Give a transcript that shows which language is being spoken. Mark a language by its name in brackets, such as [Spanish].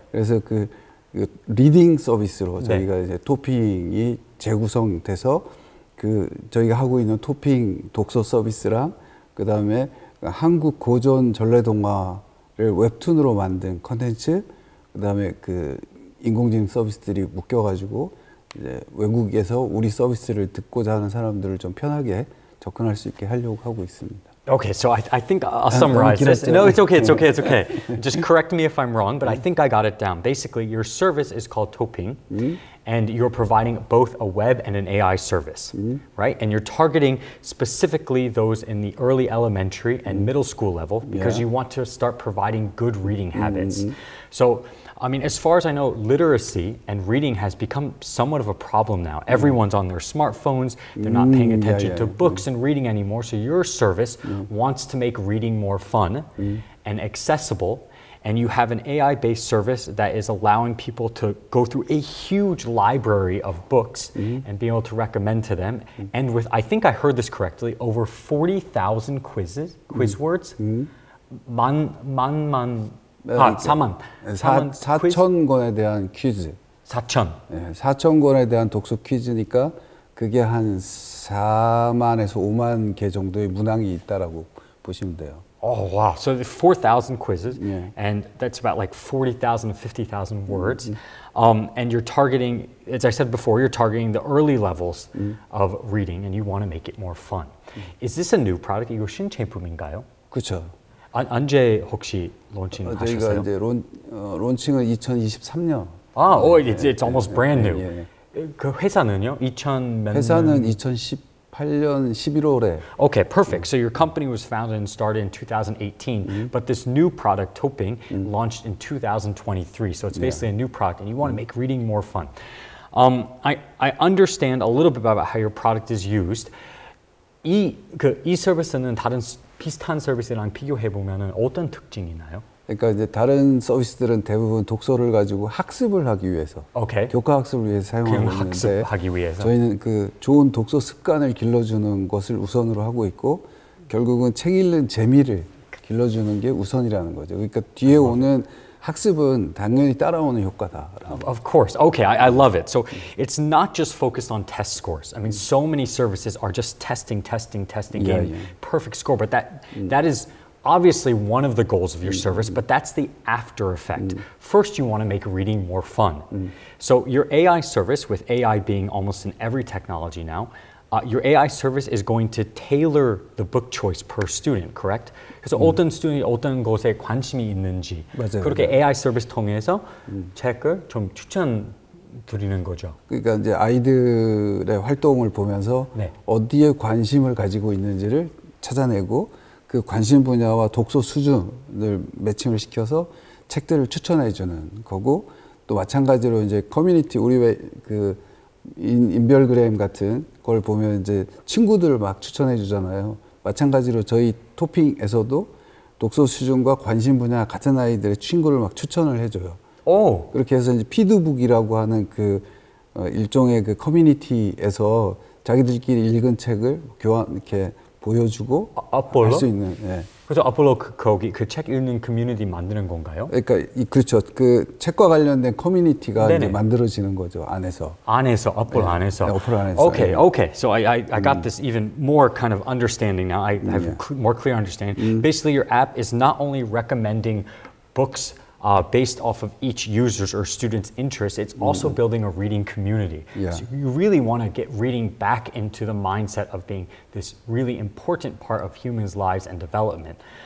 [Korean] 그래서 그 리딩 서비스로 저희가 네. 이제 토핑이 재구성돼서 그 저희가 하고 있는 토핑 독서 서비스랑 그 다음에 한국 고전 전래동화를 웹툰으로 만든 컨텐츠 그 다음에 그 인공지능 서비스들이 묶여가지고 이제 외국에서 우리 서비스를 듣고자 하는 사람들을 좀 편하게 접근할 수 있게 하려고 하고 있습니다. [English] Okay, so I think I'll summarize this. No, it's okay. Just correct me if I'm wrong, but I think I got it down. Basically, your service is called Toping, and you're providing both a web and an AI service, right? And you're targeting specifically those in the early elementary and middle school level because you want to start providing good reading habits. So, I mean, as far as I know, literacy and reading has become somewhat of a problem now. Everyone's on their smartphones. They're not paying attention to books and reading anymore. So your service wants to make reading more fun and accessible. And you have an AI-based service that is allowing people to go through a huge library of books and be able to recommend to them. And with, I think I heard this correctly, over 40,000 quizzes, quiz words. Man. [Korean] 4,000권에 대한 퀴즈. 4,000. 4,000권에 대한 독서 퀴즈니까 그게 한 4만에서 5만 개 정도의 문항이 있다라고 보시면 돼요. [English] Oh, wow. So 4,000 quizzes, and that's about like 40,000 to 50,000 words. And you're targeting, as I said before, you're targeting the early levels of reading, and you want to make it more fun. Is this a new product? [Korean] 이거 신제품인가요? 그쵸. 언제 혹시 론칭 하셨어요? 저희가 이제 론칭은 2023년. 아, 네. [English] it's almost brand new. [Korean] 네. 그 회사는요? 회사는 2018년 11월에. [English] Okay, perfect. So your company was founded and started in 2018, but this new product, Toping, launched in 2023. So it's basically a new product, and you want to make reading more fun. I understand a little bit about how your product is used. [Korean] 이, 그, 이 서비스는 다른 비슷한 서비스랑 비교해 보면은 어떤 특징이 있나요? 그러니까 이제 다른 서비스들은 대부분 독서를 가지고 학습을 하기 위해서, 오케이. 교과 학습을 위해서 사용하고 있는데, 학습하기 위해서 저희는 그 좋은 독서 습관을 길러주는 것을 우선으로 하고 있고, 결국은 책 읽는 재미를 길러주는 게 우선이라는 거죠. 그러니까 뒤에 오는 학습은 당연히 따라오는 효과다. [English] Of course. Okay, I love it. So it's not just focused on test scores. I mean, so many services are just testing, getting perfect score. But that is obviously one of the goals of your service, but that's the after effect. First, you want to make reading more fun. So your AI service, with AI being almost in every technology now, your AI service is going to tailor the book choice per student, correct? [Korean] 그래서 어떤 스튜디오 어떤 곳에 관심이 있는지 맞아요, 그렇게 맞아요. AI 서비스 통해서 책을 좀 추천 드리는 거죠. 그러니까 이제 아이들의 활동을 보면서 네. 어디에 관심을 가지고 있는지를 찾아내고 그 관심 분야와 독서 수준을 매칭을 시켜서 책들을 추천해 주는 거고 또 마찬가지로 이제 커뮤니티 우리 왜 그 인별그램 같은 걸 보면 이제 친구들 막 추천해 주잖아요. 마찬가지로 저희 토핑에서도 독서 수준과 관심 분야 같은 아이들의 친구를 막 추천을 해줘요. 오. 그렇게 해서 이제 피드북이라고 하는 그 일종의 그 커뮤니티에서 자기들끼리 읽은 책을 교환 이렇게 보여주고 아폴로? 할 수 있는. 예. 그래서 아폴로 그, 거기 그 책 읽는 커뮤니티 만드는 건가요? 그러니까 그렇죠. 그 책과 관련된 커뮤니티가 이제 만들어지는 거죠 안에서. 안에서 아폴로 예. 안에서. 네, 아폴로 안에서. [English] Okay, 예. okay. So I got this even more kind of understanding now. I have more clear understanding. Basically, your app is not only recommending books based off of each user's or student's interest, it's also building a reading community. Yeah. So you really want to get reading back into the mindset of being this really important part of humans' lives and development.